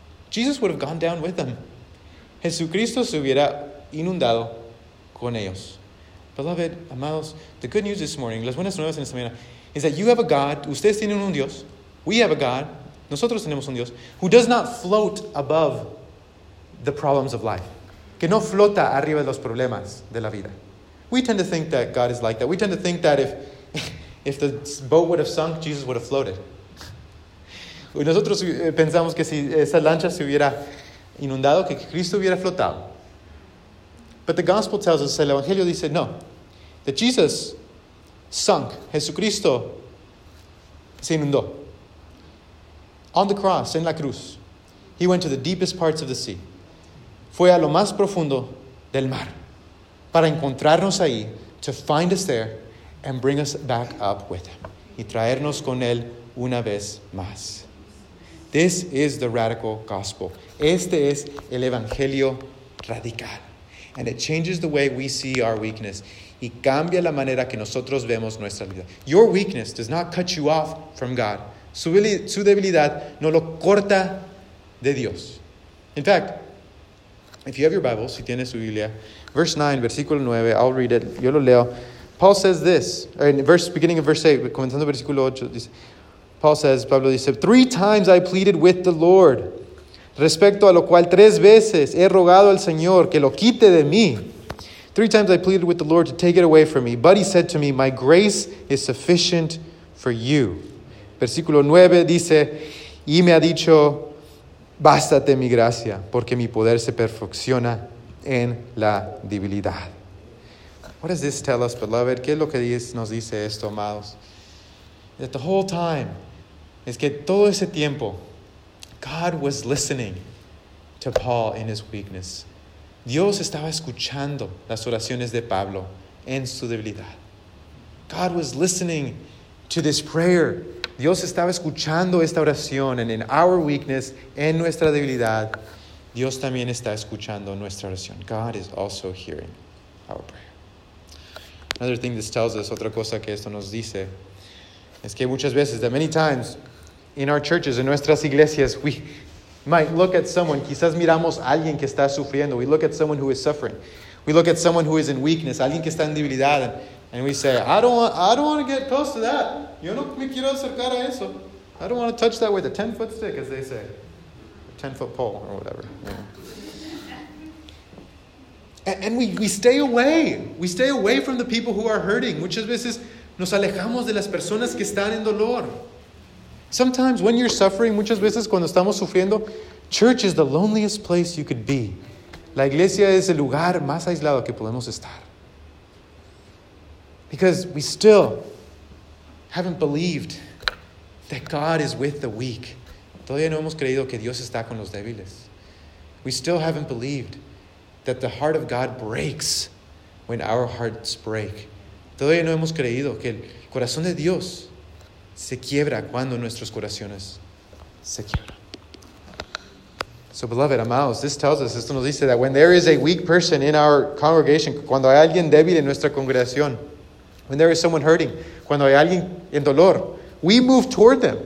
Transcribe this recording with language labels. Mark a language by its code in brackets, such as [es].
[en] Jesus would have gone down with them. [es] Jesucristo se hubiera inundado con ellos. [en] Beloved, [es] amados, [en] the good news this morning, [es] las buenas nuevas en esta mañana, [en] is that you have a God, [es] ustedes tienen un Dios, [en] we have a God, [es] nosotros tenemos un Dios, [en] who does not float above the problems of life. [es] Que no flota arriba de los problemas de la vida. [en] We tend to think that God is like that. We tend to think that if the boat would have sunk, Jesus would have floated. [es] Nosotros pensamos que si esa lancha se hubiera inundado, que Cristo hubiera flotado. [en] But the gospel tells us, [es] el Evangelio dice, no, [en] that Jesus sunk, [es] Jesucristo se inundó. [en] On the cross, [es] en la cruz, [en] he went to the deepest parts of the sea. [es] Fue a lo más profundo del mar para encontrarnos ahí, [en] to find us there and bring us back up with him. [es] Y traernos con él una vez más. [en] This is the radical gospel. [es] Este es el evangelio radical. [en] And it changes the way we see our weakness. [es] Y cambia la manera que nosotros vemos nuestra vida. [en] Your weakness does not cut you off from God. [es] Su debilidad no lo corta de Dios. [en] In fact, if you have your Bible, [es] si tienes su Biblia, [en] verse 9, [es] versículo 9, [en] I'll read it. [es] Yo lo leo. [en] Paul says this, in verse beginning of verse 8, [es] comenzando versículo 8, dice, [en] Paul says, [es] Pablo dice, [en] three times I pleaded with the Lord, [es] respecto a lo cual tres veces he rogado al Señor que lo quite de mí. [en] Three times I pleaded with the Lord to take it away from me, but he said to me, my grace is sufficient for you. [es] Versículo 9 dice, y me ha dicho, bástate mi gracia, porque mi poder se perfecciona en la debilidad. [en] What does this tell us, beloved? [es] ¿Qué es lo que nos dice esto, amados? [en] That the whole time, [es] es que todo ese tiempo, [en] God was listening to Paul in his weakness. [es] Dios estaba escuchando las oraciones de Pablo en su debilidad. [en] God was listening to this prayer. [es] Dios estaba escuchando esta oración, [en] and in our weakness, [es] en nuestra debilidad, Dios también está escuchando nuestra oración. [en] God is also hearing our prayer. Another thing this tells us, [es] otra cosa que esto nos dice, es que muchas veces, [en] that many times, in our churches, in [es] nuestras iglesias, [en] we might look at someone, [es] quizás miramos a alguien que está sufriendo, [en] we look at someone who is suffering, we look at someone who is in weakness, [es] alguien que está en debilidad, [en] and we say, I don't want to get close to that. [es] Yo no me quiero acercar a eso. [en] I don't want to touch that with a 10-foot stick, as they say. A 10-foot pole or whatever. Yeah. And we stay away. We stay away from the people who are hurting. [es] Muchas veces nos alejamos de las personas que están en dolor. [en] Sometimes when you're suffering, [es] muchas veces cuando estamos sufriendo, [en] church is the loneliest place you could be. [es] La iglesia es el lugar más aislado que podemos estar. [en] Because we still haven't believed that God is with the weak. [es] Todavía no hemos creído que Dios está con los débiles. [en] We still haven't believed that the heart of God breaks when our hearts break. [es] Todavía no hemos creído que el corazón de Dios se quiebra cuando nuestros corazones se quiebran. [en] So, beloved, [es] amados, [en] this tells us, [es] esto nos dice [en] that when there is a weak person in our congregation, [es] cuando hay alguien débil en nuestra congregación, [en] when there is someone hurting, [es] cuando hay alguien en dolor, [en] we move toward them.